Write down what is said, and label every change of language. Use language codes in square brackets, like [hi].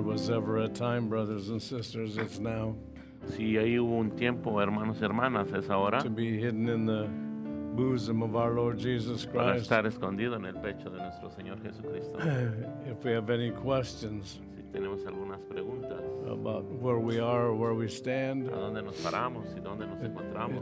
[en] Ever a time, brothers and sisters, it's now. [es] Si hay un tiempo, hermanos y hermanas, es ahora. [en] To be hidden in the bosom of our Lord Jesus Christ. [es] Para estar escondido en el pecho de nuestro Señor Jesucristo. [en] If we have any questions. [es] Si tenemos algunas preguntas. [en] About where we are, or where we stand. [es] A dónde nos paramos y dónde nos encontramos.